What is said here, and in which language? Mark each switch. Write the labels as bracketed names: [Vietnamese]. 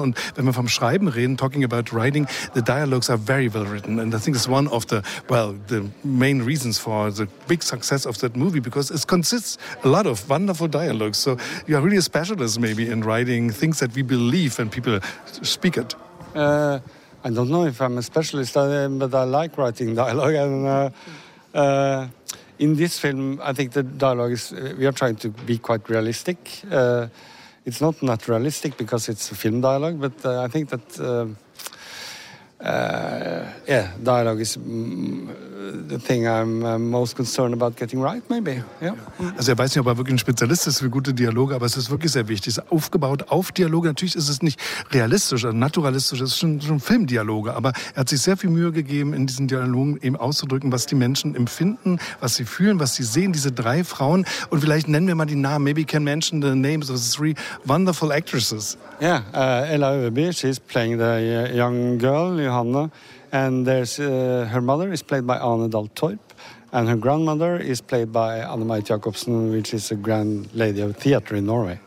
[English] Und wenn wir vom Schreiben reden, talking about writing, the dialogues are very well written and I think it's one of the, well, the main reasons for the big success of that movie, because it consists a lot of wonderful dialogues. So you are really a specialist maybe in writing things that we believe and people speak it. I don't know if I'm a specialist, but I like writing dialogue. And in this film, I think the dialogue is, we are trying to be quite realistic. It's not naturalistic because it's a film dialogue, but I think that dialogue is the thing I'm most concerned about getting right, maybe. Yeah. [German] Also er weiß nicht, ob er wirklich ein Spezialist ist für gute Dialoge, aber es ist wirklich sehr wichtig. Es ist aufgebaut auf Dialoge. Natürlich ist es nicht realistisch oder naturalistisch, es ist schon Filmdialoge, aber er hat sich sehr viel Mühe gegeben, in diesen Dialogen eben auszudrücken, was die Menschen empfinden, was sie fühlen, was sie sehen, diese drei Frauen. Und vielleicht nennen wir mal die Namen. [English] Maybe you can mention the names of the three wonderful actresses. Yeah, Ella Öberby, she's playing the young girl, Johanna, and there's her mother is played by Anne Dahl Torp, and her grandmother is played by Anne-Marit Jacobsen, which is a grand lady of theater in Norway.